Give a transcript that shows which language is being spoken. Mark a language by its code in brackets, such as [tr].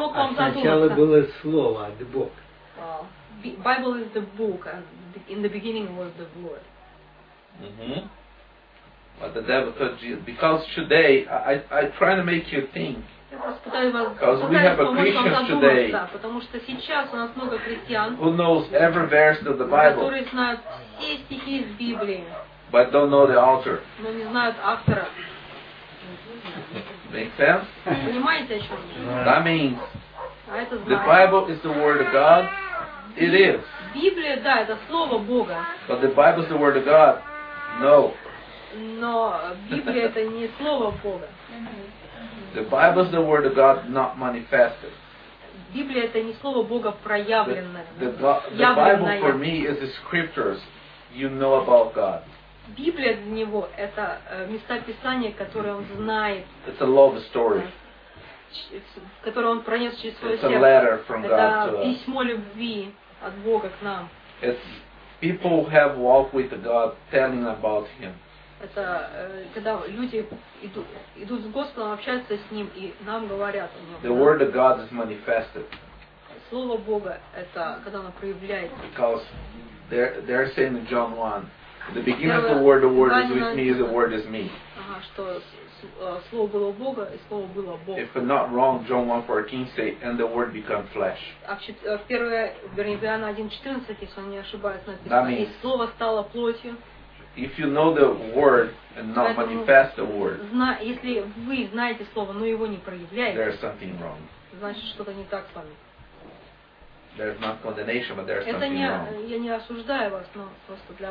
[ru] А сначала было слово от Бога. [en] Bible is the book, and in the beginning was the word. Mm-hmm. But the devil told Jesus, because today I try to make you think. Because we have a Christian today. [ru] Потому что сейчас у нас много христиан. [en] Who knows every verse of the Bible? [ru] Которые знают все стихи из Библии. [en] but don't know the author. [ru] Но не знают автора. [en] Make sense? [ru] Понимаете, о чем я? [en] That means the Bible is the word of God. It is. [ru] Библия, да, это слово Бога. [en] But the Bible is the word of God. No. [ru] Но Библия это не слово Бога. [en] The Bible is the word of God, not manifested. [ru] Библия это не слово Бога проявленное. [en] The Bible for me is the scriptures you know about God. [ru] Библия для него это места Писания, которые он знает. [en] It's a love story. [ru] Которое он пронес через свое сердце. [en] It's a letter from God to us. [ru] Это письмо любви от Бога к нам. [en] It's people have walked with God, telling about Him. [ru] Это когда люди идут с Господом, общаются с Ним и нам говорят о Нем. [en] The word of God is manifested. [ru] Слово Бога это когда оно проявляется. [en] Because they're saying in John 1, the beginning of the word is with me, the word is me. [ru] Ага, что слово было Бога и слово было Бог. [en] If I'm not wrong, John 1:14 say, and the word became flesh. [ru] В первое, вернее, Иоанна 1:14, если я не ошибаюсь, написано, и слово стало плотью. [en] If you know the word and not manifest the word, [ru] если вы знаете слово, но его не проявляете, [en] there's something wrong. [ru] Значит, что-то не так с вами. [en] There's not condemnation, but there's something [ru] не, [en] wrong. [ru] Я не осуждаю вас, но просто для